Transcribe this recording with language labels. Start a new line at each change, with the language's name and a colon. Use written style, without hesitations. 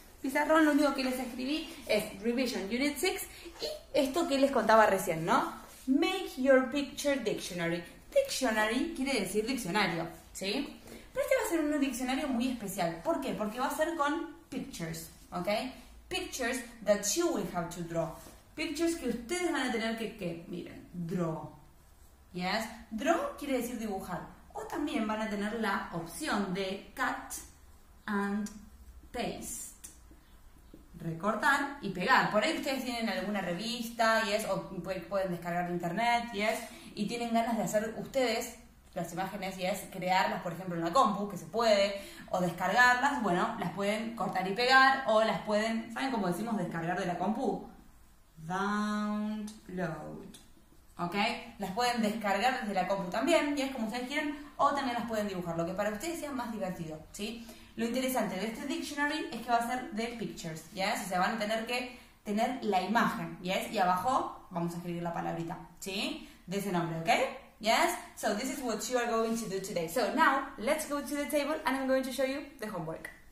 Spanish: Pizarrón, lo único que les escribí es Revision Unit 6 y esto que les contaba recién, ¿no?
English: Make your picture dictionary.
Spanish: Dictionary quiere decir diccionario, ¿sí? Pero este va a ser un diccionario muy especial. ¿Por qué? Porque va a ser con pictures, ¿ok?
English: Pictures that you will have to draw.
Spanish: Pictures que ustedes van a tener que miren, draw. ¿Yes? Draw quiere decir dibujar. O también van a tener la opción de
English: cut and paste.
Spanish: Recortar y pegar. Por ahí ustedes tienen alguna revista, yes, o pueden descargar de internet, yes, y tienen ganas de hacer ustedes las imágenes, yes, crearlas, por ejemplo, en la compu, que se puede, o descargarlas, bueno, las pueden cortar y pegar, o las pueden, ¿saben cómo decimos descargar de la compu? Download. ¿Ok? Las pueden descargar desde la compu también, yes, como ustedes quieran, o también las pueden dibujar, lo que para ustedes sea más divertido, ¿sí? Lo interesante de este dictionary es que va a ser de pictures, ¿yes? O sea, van a tener que tener la imagen, ¿yes? Y abajo vamos a escribir la palabrita, ¿sí? De ese nombre, ¿ok? ¿Yes?
English: So, this is what you are going to do today. So, now, let's go to the table and I'm going to show you the homework.